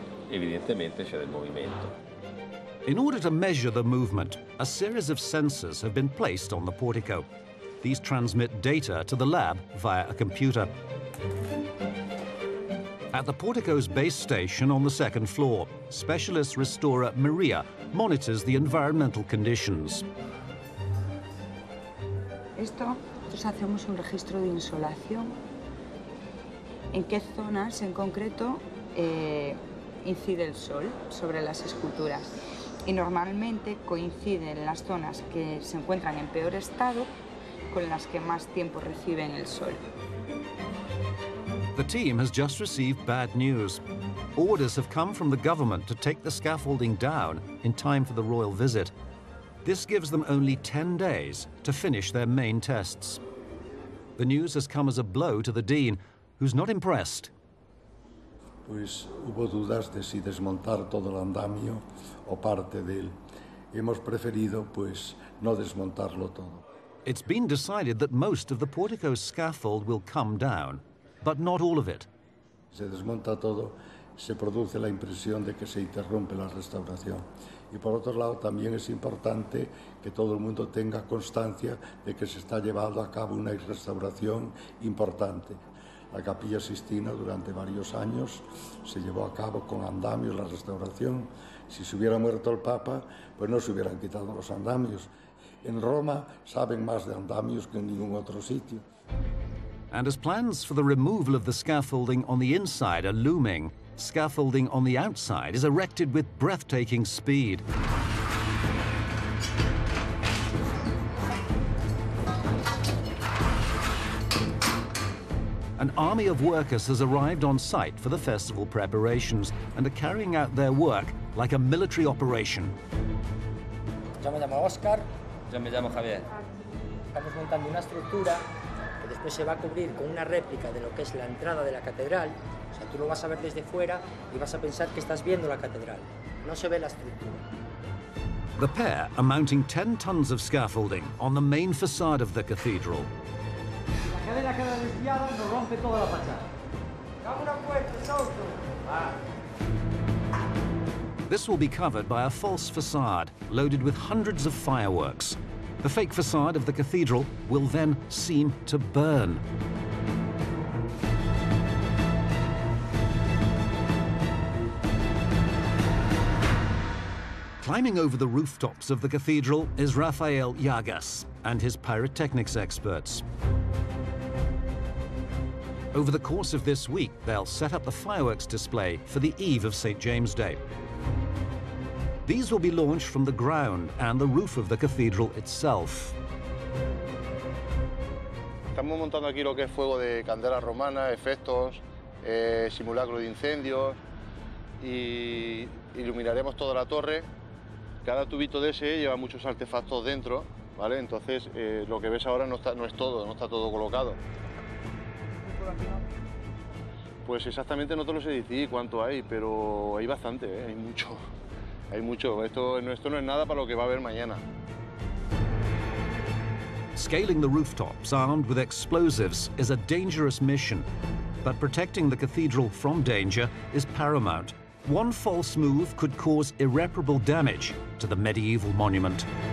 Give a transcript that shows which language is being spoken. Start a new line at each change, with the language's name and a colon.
Italian: Evidentemente c'è del movimento.
English: In order to measure the movement, a series of sensors have been placed on the portico. These transmit data to the lab via a computer. At the portico's base station on the second floor, specialist restorer Maria monitors the environmental conditions.
Spanish: Esto, nosotros hacemos un registro de insolación. ¿En qué zonas en concreto incide el sol sobre las esculturas? Y normalmente coinciden las zonas que se encuentran en peor estado con las que más tiempo reciben el sol.
English: The team has just received bad news. Orders have come from the government to take the scaffolding down in time for the royal visit. This gives them only 10 days to finish their main tests. The news has come as a blow to the dean, who's not impressed.
Spanish: Pues hubo dudas de si desmontar todo el andamio o parte de él. Hemos preferido, pues, no desmontarlo todo.
English: It's been decided that most of the portico scaffold will come down, but not all of it.
Spanish: Se desmonta todo, se produce la impresión de que se interrumpe la restauración. Y por otro lado, también es importante que todo el mundo tenga constancia de que se está llevando a cabo una restauración importante. La Capilla Sistina durante varios años se llevó a cabo con andamios la restauración. Si se hubiera muerto el Papa, pues no se hubieran quitado los andamios. En Roma saben más de andamios que en ningún otro sitio.
English: And as plans for the removal of the scaffolding on the inside are looming, scaffolding on the outside is erected with breathtaking speed. An army of workers has arrived on site for the festival preparations and are carrying out their work like a military operation.
Spanish: Yo me llamo Oscar. Yo me llamo Javier. Estamos montando una estructura que después se va a cubrir con una réplica de lo que es la entrada de la catedral. O sea, tú lo vas a ver desde fuera y vas a pensar que estás viendo la catedral. No se ve la estructura.
English: The pair are mounting 10 tons of scaffolding on the main facade of the cathedral.
Spanish: La cadena queda desviada y nos rompe toda la fachada. ¡Cabe una puerta, es auto! Ah.
English: This will be covered by a false facade loaded with hundreds of fireworks. The fake facade of the cathedral will then seem to burn. Climbing over the rooftops of the cathedral is Rafael Yagas and his pyrotechnics experts. Over the course of this week, they'll set up the fireworks display for the eve of St. James Day. These will be launched from the ground and the roof of the cathedral itself.
Spanish: Estamos montando aquí lo que es fuego de candela romana, efectos, simulacro de incendios y iluminaremos toda la torre. Cada tubito de ese lleva muchos artefactos dentro, ¿vale? Entonces, lo que ves ahora no está todo colocado. Pues exactamente no te lo sé decir cuánto hay, pero hay bastante, ¿eh? Hay mucho. Esto no es nada para lo que va a haber mañana.
English: Scaling the rooftops armed with explosives is a dangerous mission, but protecting the cathedral from danger is paramount. One false move could cause irreparable damage to the medieval monument.